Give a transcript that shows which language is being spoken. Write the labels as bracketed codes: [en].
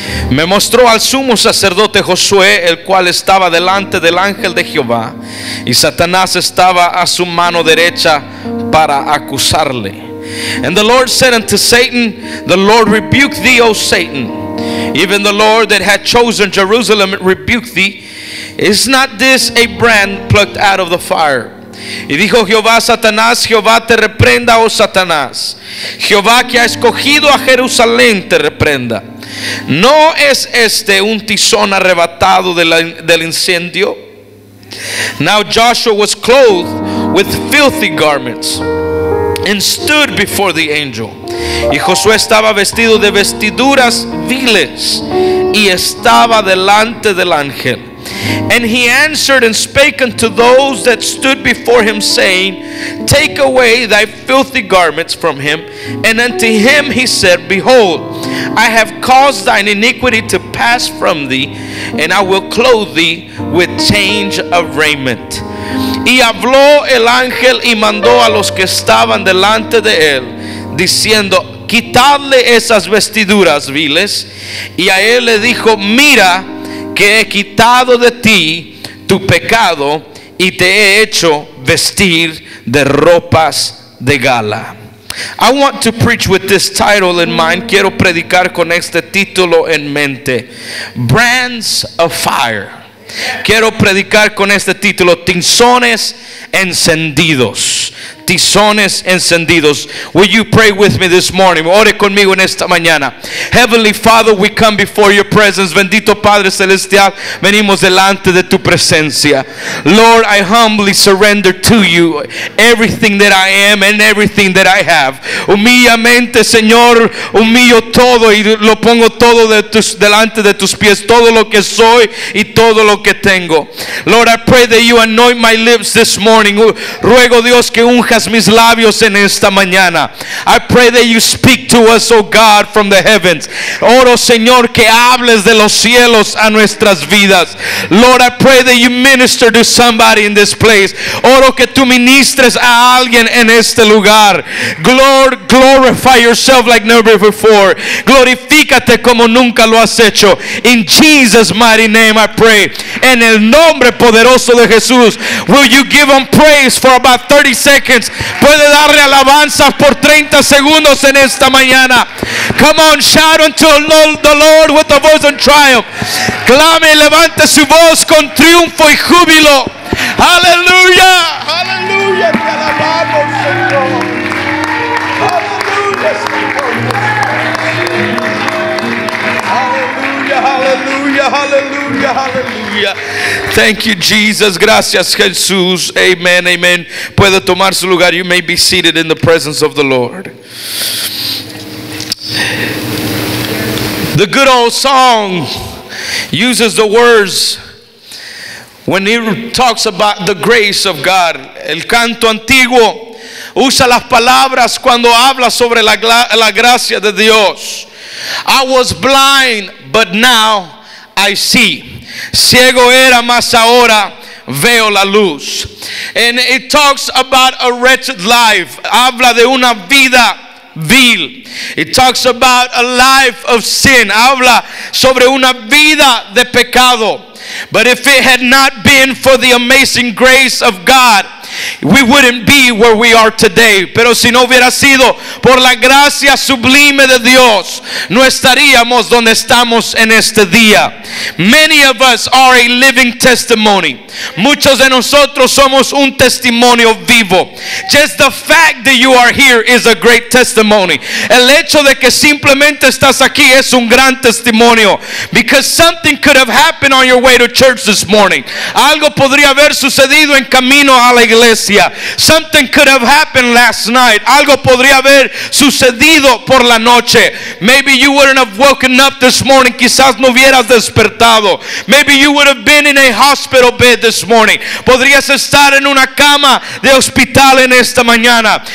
[es] Me mostró al sumo sacerdote Josué, el cual estaba delante del ángel de Jehová, y Satanás estaba a su mano derecha para acusarle. [en] And the Lord said unto Satan, The Lord rebuke thee, O Satan. Even the Lord that had chosen Jerusalem rebuke thee. Is not this a brand plucked out of the fire? [es] Y dijo Jehová a Satanás, Jehová te reprenda, oh Satanás. Jehová que ha escogido a Jerusalén te reprenda. ¿No es este un tizón arrebatado del incendio? [en] Now Joshua was clothed with filthy garments and stood before the angel. [es] Y Josué estaba vestido de vestiduras viles y estaba delante del ángel. [en] And he answered and spake unto those that stood before him, saying, Take away thy filthy garments from him. And unto him he said, Behold, I have caused thine iniquity to pass from thee, and I will clothe thee with change of raiment. [es] Y habló el ángel y mandó a los que estaban delante de él, diciendo, Quitadle esas vestiduras viles. Y a él le dijo, Mira, que he quitado de ti tu pecado y te he hecho vestir de ropas de gala. [en] I want to preach with this title in mind. [es] Quiero predicar con este título en mente. [en] Brands of fire. [es] Quiero predicar con este título. Tizones encendidos. Tizones encendidos. [en] Will you pray with me this morning? [es] Ore conmigo en esta mañana. [en] Heavenly Father, we come before your presence. [es] Bendito Padre Celestial, venimos delante de tu presencia. [en] Lord, I humbly surrender to you everything that I am and everything that I have. [es] Humillamente, Señor, humillo todo y lo pongo todo delante de tus pies. Todo lo que soy y todo lo que tengo. [en] Lord, I pray that you anoint my lips this morning. [es] Ruego Dios que unjas mis labios en esta mañana. [en] I pray that you speak to us, oh God, from the heavens. [es] Oro, Señor, que hables de los cielos a nuestras vidas. [en] Lord, I pray that you minister to somebody in this place. [es] Oro que tú ministres a alguien en este lugar. [en] Lord, glorify yourself like never before. [es] Glorifícate como nunca lo has hecho. [en] In Jesus' mighty name I pray. [es] En el nombre poderoso de Jesús. [en] Will you give him praise for about 30 seconds? [es] Puede darle alabanzas por 30 segundos en esta mañana. [en] Come on, shout unto the Lord with a voice of triumph. [es] Clame, levante su voz con triunfo y júbilo. Aleluya. Aleluya. Te alabamos, Señor. Aleluya, Señor. Aleluya, aleluya, aleluya, aleluya. [en] Thank you, Jesus. [es] Gracias, Jesús. Amen, amen. Puede tomar su lugar. [en] You may be seated in the presence of the Lord. The good old song uses the words when it talks about the grace of God. [es] El canto antiguo usa las palabras cuando habla sobre la gracia de Dios. [en] I was blind, but now I see. [es] Ciego era, mas ahora veo la luz. [en] And it talks about a wretched life. [es] Habla de una vida vil. [en] It talks about a life of sin. [es] Habla sobre una vida de pecado. [en] But if it had not been for the amazing grace of God, we wouldn't be where we are today. [es] Pero si no hubiera sido por la gracia sublime de Dios, no estaríamos donde estamos en este día. [en] Many of us are a living testimony. [es] Muchos de nosotros somos un testimonio vivo. [en] Just the fact that you are here is a great testimony. [es] El hecho de que simplemente estás aquí es un gran testimonio. [en] Because something could have happened on your way to church this morning. [es] Algo podría haber sucedido en camino a la iglesia. [en] Something could have happened last night. [es] Algo podría haber sucedido por la noche. [en] Maybe you wouldn't have woken up this morning. [es] Quizás no hubieras despertado. [en] Maybe you would have been in a hospital bed this morning. [es] Podrías estar en una cama de hospital en esta mañana.